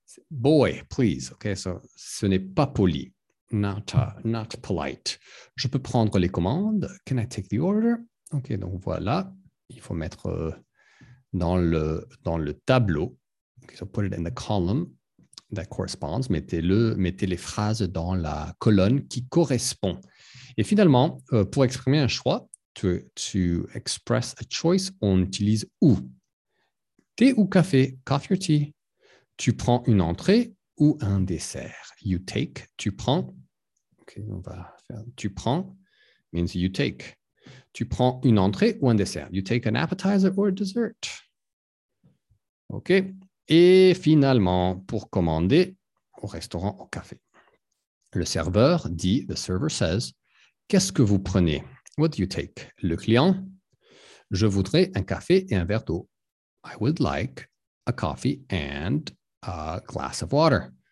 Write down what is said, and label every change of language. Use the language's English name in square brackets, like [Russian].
[English] Boy, please. Okay, so [French] ce n'est pas poli. [English] Not polite. [French] Je peux prendre les commandes. [English] Can I take the order? [French] Okay, donc voilà. Il faut mettre dans le tableau. [English] Okay, so put it in the column that corresponds. [French] Mettez les phrases dans la colonne qui correspond. Et finalement, pour exprimer un choix, [English] to express a choice, [French] on utilise où. Thé ou café? [English] Coffee or tea? [French] Tu prends une entrée ou un dessert? [English] You take, [French] tu prends. OK, on va faire. Tu prends [English] means you take. [French] Tu prends une entrée ou un dessert? [English] You take an appetizer or a dessert. [French] OK. Et finalement, pour commander au restaurant, au café. Le serveur dit, [English] the server says, [French] qu'est-ce que vous prenez? [English] What do you take? [French] Le client, je voudrais un café et un verre d'eau. [English] I would like a coffee and a glass of water.